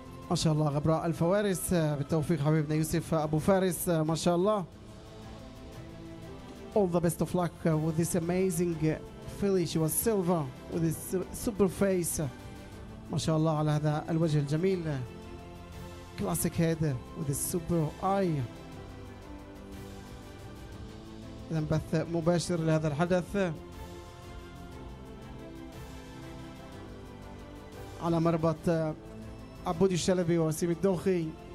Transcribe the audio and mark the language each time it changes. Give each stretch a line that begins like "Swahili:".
Arabic: ما شاء الله غبراء الفوارس بالتوفيق حبيبنا يوسف أبو فارس. ما شاء الله.
English: All the best of luck with this amazing filly. She was silver with this super face.
Arabic: ما شاء الله على هذا الوجه الجميل.
English: Classic head with this super eye.
Arabic: إذا بث مباشر لهذا الحدث على مربط عبود الشلبي وسيم الدوخي.